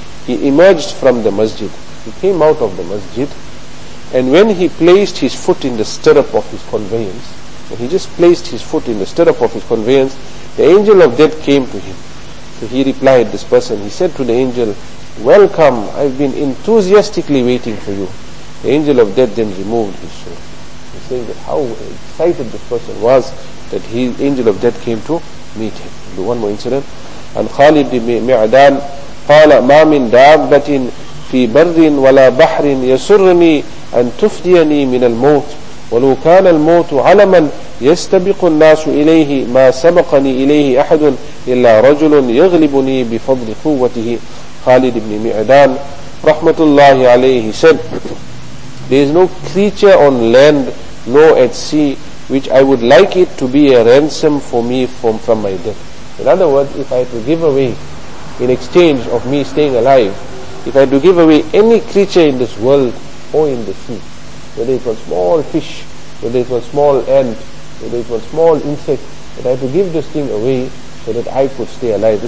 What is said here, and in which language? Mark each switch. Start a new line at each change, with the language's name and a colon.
English: He emerged from the masjid, he came out of the masjid, and when he placed his foot in the stirrup of his conveyance, when he just placed his foot in the stirrup of his conveyance, the angel of death came to him. So he replied, this person, he said to the angel, welcome, I've been enthusiastically waiting for you. The angel of death then removed his soul. He said that how excited this person was that the angel of death came to meet him. Do one more incident.
Arabic: And Khalid ibn Mi'adan qala ma min da'abatin fi barrin wala bahrin yasurrani أن تفديني من الموت ولو كان الموت علما يستبق الناس إليه ما سبقني إليه أحد إلا رجل يغلبني بفضل قوته.
English: Khalid bin Ma'dan
Arabic: رحمة الله عليه
English: said, there is no creature on land nor at sea which I would like it to be a ransom for me from my death. In other words, if I had to give away in exchange of me staying alive, if I had to give away any creature in this world or in the sea, whether it was small fish, whether it was small ant, whether it was small insect, that I had to give this thing away so that I could stay alive.